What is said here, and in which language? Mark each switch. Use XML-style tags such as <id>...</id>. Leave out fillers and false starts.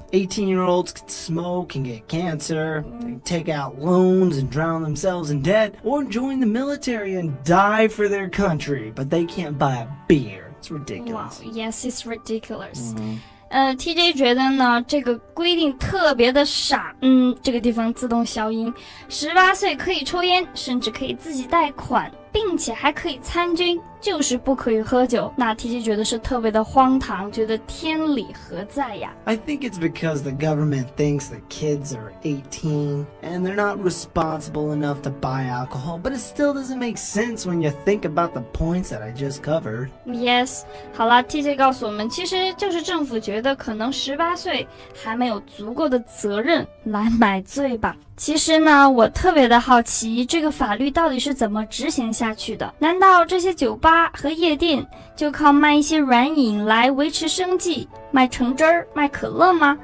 <en>18-year-olds can smoke and get cancer, take out loans and drown themselves in debt, or join the military and die for their country, but they can't buy a beer. It's ridiculous. Wow, yes, it's ridiculous.</en> <zh>TJ 觉得呢，这个规定特别的傻。这个地方自动消音。18岁可以抽烟，甚至可以自己贷款，并且还可以参军，就是不可以喝酒。那 TJ 觉得是特别的荒唐，觉得天理何在呀</zh> <en>？I think it's because the government thinks that kids are 18 and they're not responsible enough to buy alcohol. But it still doesn't make sense when you think about the points that I just covered.</en> <zh>Yes， 好了 ，TJ 告诉我们，其实就是政府觉得可能18岁还没有足够的责任来买醉吧。其实呢，我特别的好奇这个法律到底是怎么执行下去的？难道这些酒吧和夜店就靠卖一些软饮来维持生计，卖橙汁儿、卖可乐吗？</zh>